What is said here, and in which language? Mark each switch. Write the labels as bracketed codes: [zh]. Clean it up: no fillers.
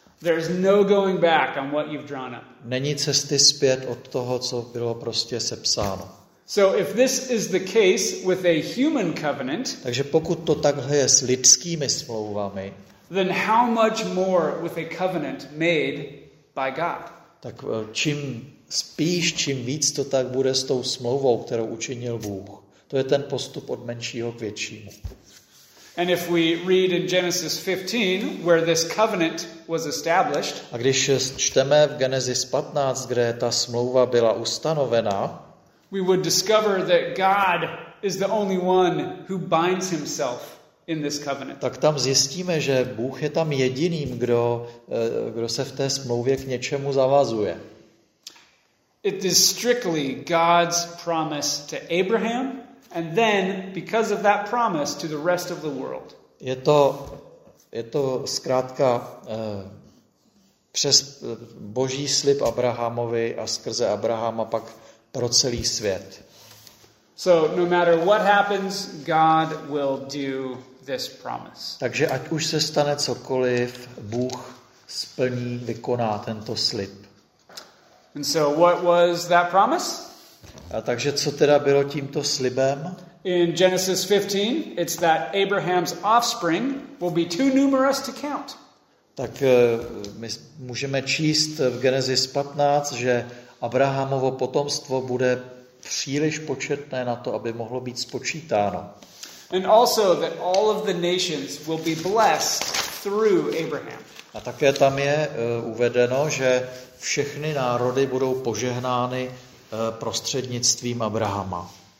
[en] There's no going back on what you've drawn up. [cs] Není cesty zpět od toho, co bylo prostě sepsáno. [en] So if this is the case with a human covenant, [cs] takže pokud to takhle je s lidskými smlouvami, [en] then how much more with a covenant made by God? [cs] Tak čím spíš, čím víc to tak bude s tou smlouvou, kterou učinil Bůh. To je ten postup od menšího k většímu. [en] And if we read in Genesis 15 where this covenant was established, [cs] a když čteme v Genesis 15, kde ta smlouva byla ustanovena, [en] we would discover that God is the only one who binds himself in this covenant. [cs] Tak tam zjistíme, že Bůh je tam jediným, kdo se v té smlouvě k něčemu zavazuje. [en] It is strictly God's promise to Abraham. And then because of that promise to the rest of the world. [cs] Je to zkrátka přes Boží slib Abrahamovi a skrze Abrahama pak pro celý svět. [en] So no matter what happens, God will do this promise. [cs] Takže ať už se stane cokoliv, Bůh splní, vykoná tento slib. [en] And so what was that promise? [cs] A takže co teda bylo tímto slibem? [en] In Genesis 15, it's that Abraham's offspring will be too numerous to count. [cs] Tak my můžeme číst v Genesis 15, že Abrahamovo potomstvo bude příliš početné na to, aby mohlo být spočítáno. [en] And also that all of the nations will be blessed through Abraham. [cs] A také tam je uvedeno, že všechny národy budou požehnány prostřednictvím Abrahama.